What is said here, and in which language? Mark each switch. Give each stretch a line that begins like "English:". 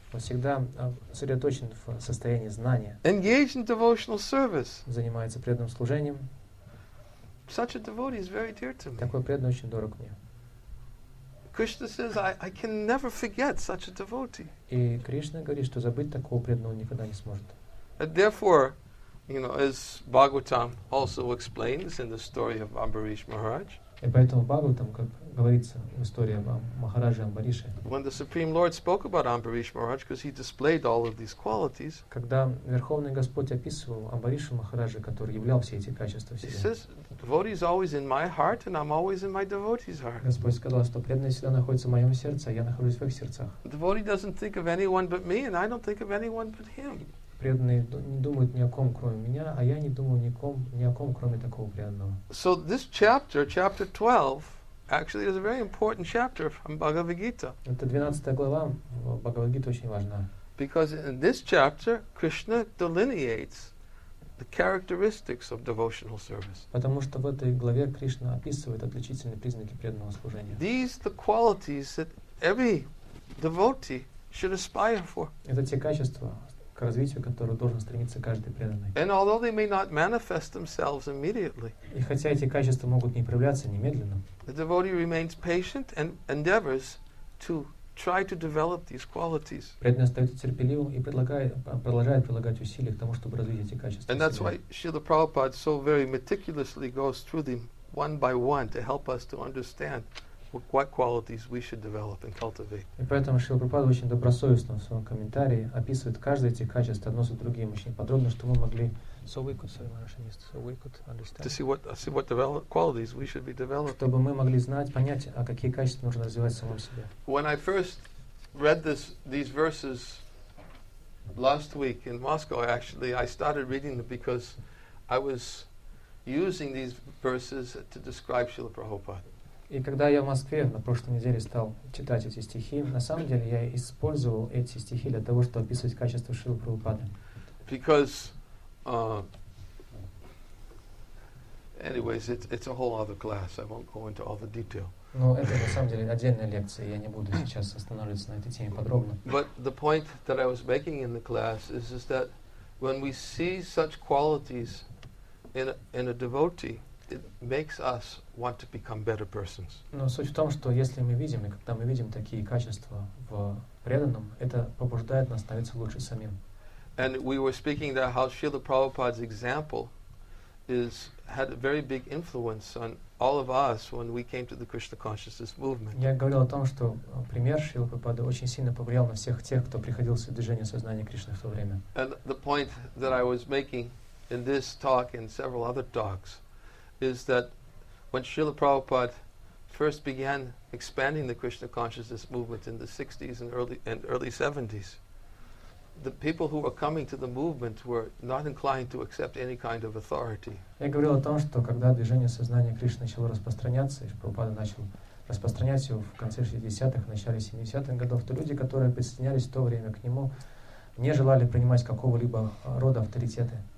Russian: Он всегда сосредоточен в состоянии знания.
English: Engaged in devotional service.
Russian: Занимается преданным служением.
English: Such a devotee is very dear to me.
Russian: Такой преданный очень дорог мне.
English: Krishna says, I can never forget such a devotee.
Russian: И Кришна говорит, что забыть такого преданного никогда не сможет.
English: And therefore, you know, as Bhagavatam also explains in the story of Ambarish Maharaj.
Russian: И поэтому Бхагаватам, как говорится в истории о Махарадже Амбарише.
English: When the Supreme Lord spoke about Ambarish Maharaj, because he displayed all of these qualities.
Russian: Когда Верховный Господь описывал Амбариша Махараджа, который являл все эти качества в себе.
English: He says, devotee is always in my heart, and I'm always in my devotee's heart.
Russian: Господь сказал, что преданный всегда находится в моем сердце, а я нахожусь в их сердцах.
English: Devotee doesn't think of anyone but me, and I don't think of anyone but him.
Russian: Преданные не думают ни о ком, кроме меня, а я не думаю ни о ком, кроме такого преданного.
English: So this chapter, chapter 12, actually is a very important chapter from Bhagavad Gita.
Russian: Это 12 глава в Бхагавад Гите очень важна.
English: Because in this chapter, Krishna delineates the characteristics of devotional service.
Russian: Потому что в этой главе Кришна описывает отличительные признаки преданного служения.
English: These the qualities that every devotee should aspire for.
Russian: Это те качества, к развитию, к которому должен стремиться каждый преданный.
English: And although they may not manifest themselves immediately,
Russian: и хотя эти качества могут не проявляться немедленно,
English: the devotee remains patient and endeavors to try to develop these qualities.
Russian: Преданный остается терпеливым и продолжает прилагать усилия к тому, чтобы развить эти качества.
English: And that's why Srila Prabhupada so very meticulously goes through them one by one to help us to understand what qualities we should develop and cultivate.
Russian: И поэтому Шрила Прабхупада очень добросовестно в своем комментарии описывает каждое эти качества одно за другим очень подробно, чтобы мы могли чтобы мы могли знать, понять, а какие качества нужно развивать в самом себе.
English: When I first read these verses last week in Moscow, actually, I started reading them because I was using these verses to describe Srila Prabhupada.
Russian: И когда я в Москве на прошлой неделе стал читать эти стихи, на самом деле я использовал эти стихи для того, чтобы описывать качество Шрилы Прабхупады.
English: Because, anyways, it's a whole other class. I won't go into all the detail.
Russian: Но это на самом деле отдельная лекция, я не буду сейчас останавливаться на этой теме подробно.
English: But the point that I was making in the class is that when we see such qualities in a devotee, it makes us want to become better persons.
Russian: Но суть в том, что если мы видим, и когда мы видим такие качества в преданном, это побуждает нас становиться лучше самим.
English: And we were speaking that how Srila Prabhupada's example is had a very big influence on all of us when we came to the Krishna consciousness movement.
Russian: Я говорил о том, что пример Шрилы Прабхупады очень сильно повлиял на всех тех, кто приходил в движение сознания Кришны в то время.
English: And the point that I was making in this talk and several other talks is that when Srila Prabhupada first began expanding the Krishna consciousness movement in the 60s and early 70s, the people who were coming to the movement were not inclined to accept any kind of authority.
Russian: Я говорил о том, что когда движение сознания Кришны начало распространяться, и Прабхупада начал распространять его в конце 60-х, начале 70-х годов, то люди, которые присоединялись в то время к нему, не желали принимать какого-либо рода авторитеты.